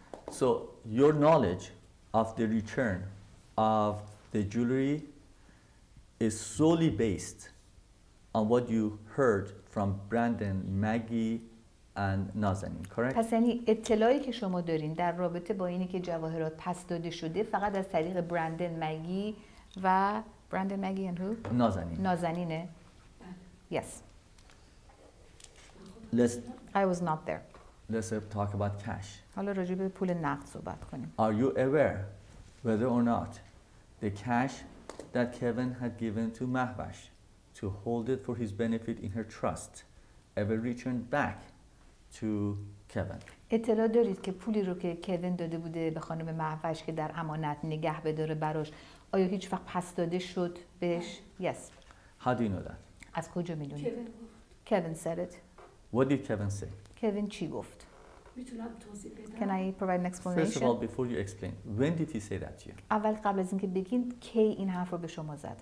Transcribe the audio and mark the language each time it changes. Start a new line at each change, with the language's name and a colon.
English: So your knowledge of the return of the jewelry is solely based on what you heard from Brandon, Maggie, and Nazanin, correct?
Persian: پس یعنی اطلاعی که شما دارین در رابطه با اینی که جواهرات پس داده شده فقط از طریق
English: Brandon, Maggie, and who? Nazanin. Nazanine. Yes. I was not there. Let's talk about cash.
Persian: حالا راجع به پول نقد صحبت کنیم.
English: Are you aware whether or not the cash that Kevin had given to Mahvash to hold it for his benefit in her trust ever returned back to Kevin?
Persian: اطلاع دارید که پولی رو که کوین داده بوده به خانم مهوش که در امانت نگه بداره براش آیا هیچ وقت پس داده شد بهش؟
English: Yes. How do you know that?
Persian: از کجا میدونید؟
English: Kevin said it. What did Kevin say?
Persian: Kevin چی گفت؟ میتونم توضیح بدم؟
English: Can I provide an explanation? First of all, before you explain, when did he say that to you?
Persian: اول قبل از اینکه بگین کی این حرف رو به شما زد؟